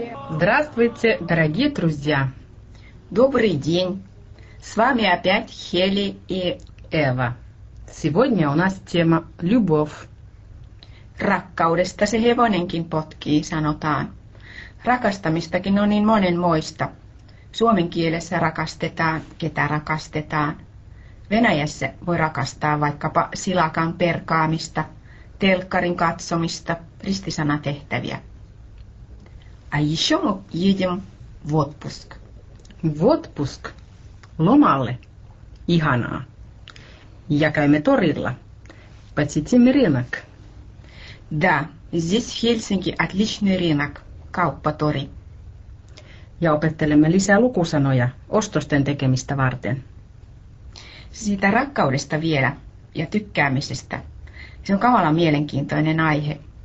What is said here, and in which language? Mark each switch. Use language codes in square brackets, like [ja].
[ru] Здравствуйте, дорогие друзья! Добрый день! С вами опять Хели и Эва. Сегодня у нас тема «Любовь». [fi] Rakkaudesta se hevonenkin potkii, sanotaan. Rakastamistakin on niin monenmoista. Suomen kielessä rakastetaan, ketä rakastetaan. Venäjässä voi rakastaa vaikkapa silakan perkaamista, telkkarin katsomista, ristisanatehtäviä. [ru] A ещё мы едем в отпуск. В отпуск. Ломалле. Ihanaa. [fi] Ja käymme torilla. [ru] Посетим рынок. Да, здесь в Хельсинки отличный рынок. [fi] Kauppatori. Ja opettelemme lisää lukusanoja ostosten tekemistä varten. Siitä rakkaudesta vielä ja tykkäämisestä. Se on kamalan mielenkiintoinen aihe.